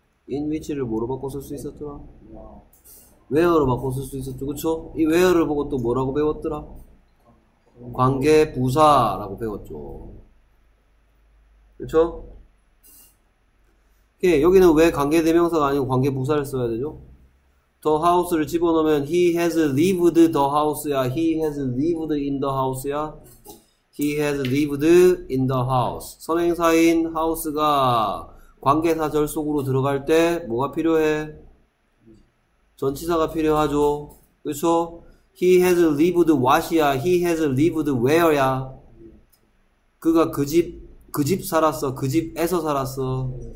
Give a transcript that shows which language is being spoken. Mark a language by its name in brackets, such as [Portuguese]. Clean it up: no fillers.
[Korean] in which를 뭐로 바꿔 쓸수 있었더라? where로 바꿔 쓸수 있었죠, 그쵸? 이 where를 보고 또 뭐라고 배웠더라? 관계 부사라고 배웠죠. 그쵸? 오케이, 여기는 왜 관계 대명사가 아니고 관계 부사를 써야 되죠? The house를 집어넣으면 [English] he has lived the house야, he has lived in the house야, he has lived in the house. [Korean] 선행사인 house가 관계사절 속으로 들어갈 때 뭐가 필요해? 전치사가 필요하죠. 그쵸? [English] He has lived what이야, he has lived where야. [Korean] 그가 그집 살았어, 그 집에서 살았어.